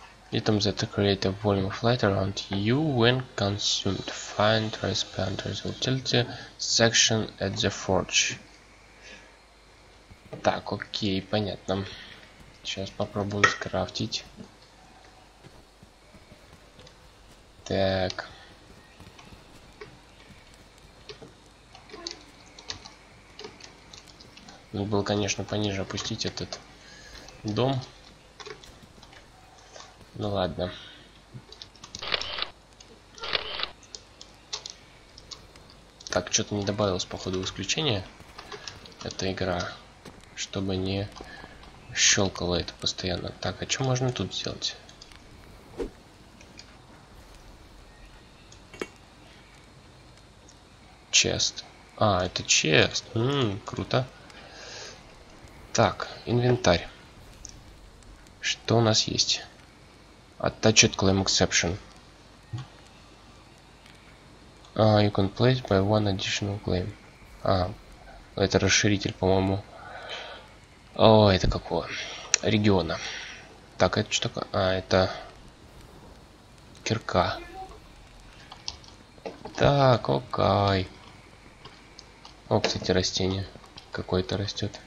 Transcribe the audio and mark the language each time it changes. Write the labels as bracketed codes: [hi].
[en] Items that create a volume of light around you when consumed. Find recipient's utility section at the forge. [ru] Так, окей, понятно. Сейчас попробуем скрафтить. Так. Надо было, конечно, пониже опустить этот дом. Ну ладно. Так, что-то не добавилось по ходу исключения. Эта игра. Чтобы не щелкало это постоянно. Так, а что можно тут сделать? Чест. А, это чест. Круто. Так, инвентарь. Что у нас есть? [en] Attached claim exception. You can place by one additional claim. [ru] А, это расширитель, по-моему. О, это какого? Региона. Так, это что такое? А, это кирка. Так, окей. О, кстати, растение какое-то растет.